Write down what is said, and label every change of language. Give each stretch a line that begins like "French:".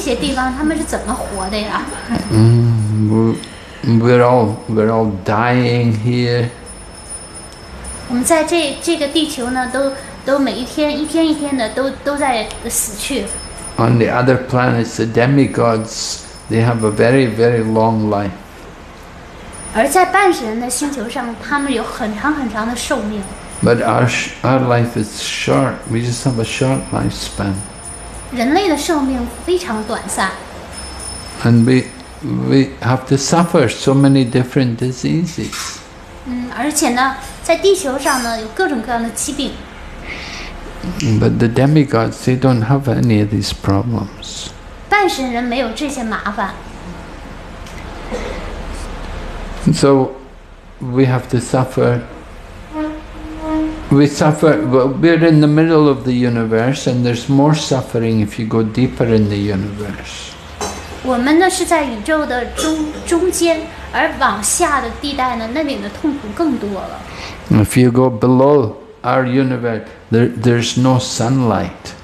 Chinese: 就半神人看我们这些地球上的人，你同样也会这么想，这些人在这些地方他们是怎么活的呀？
English: We're all dying here.
Chinese: 我们在这个地球呢，都每一天一天一天的都在死去。
English: On the other planets, the demigods, they have a very, very long life.
Chinese: 而在半神人的星球上，他们有很长很长的寿命。
English: But our life is short. We just have a short lifespan.
Chinese: 人类的寿命非常短暂。
English: And we have to suffer so many different diseases.
Chinese: 而且呢，在地球上呢，有各种各样的疾病。
English: But the demigods, they don't have any of these problems.
Chinese: 半神人没有这些麻烦。
English: So we have to suffer. We suffer, we're in the middle of the universe, and there's more suffering if you go deeper in the universe.
Chinese: 我们呢是在宇宙的中间，而往下的地带呢，那里的痛苦更多了。
English: If you go below our universe, there's no sunlight.